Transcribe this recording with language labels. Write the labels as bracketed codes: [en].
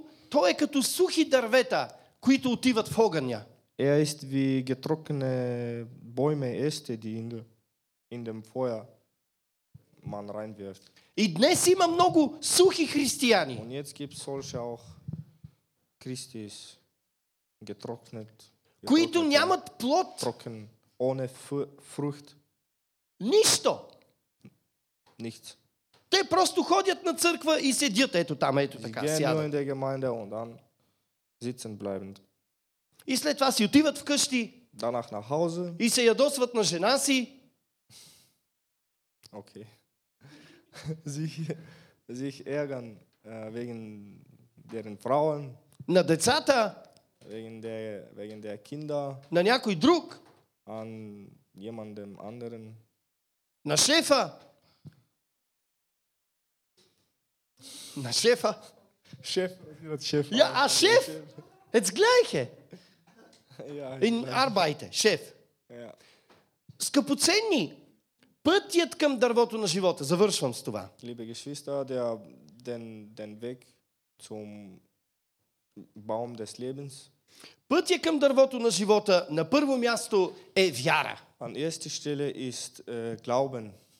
[bg] Той е като сухи дървета, които отиват в огъня. [de] Er ist wie getrockene Bäume, Äste, die in dem Feuer man reinwirft. [bg] И днес има много сухи християни. [de] Und jetzt gibt's solche auch Christis getrocknet. [bg] Които нямат плод. [de] Trocken ohne Frucht. [bg] Нищо. Nichts. Те просто ходят на църква и седят ето там, ето така, сядат. [de] Sie gehen nur in der Gemeinde und dann sitzen bleibend. [bg] И след това си отиват вкъщи. [de] Danach nach Hause. [bg] И се ядосват на жена си. [de] Okay. Sich ärgern wegen deren Frauen. [bg] На децата. [de] Wegen der Kinder. [bg] На някой друг. [de] An jemandem anderen. [bg] На шефа. На шефа. Шеф. Шеф. [de] Ja, а шеф? Het's gleiche. Ja, in Arbeit, шеф. Ja. [bg] Скъпоценни. Пътят към дървото на живота. Завършвам с това. [de] Liebe Geschwister, den Weg zum Baum des Lebens. [bg] Пътят към дървото на живота на първо място е вяра. [de] An erster Stelle ist Glauben.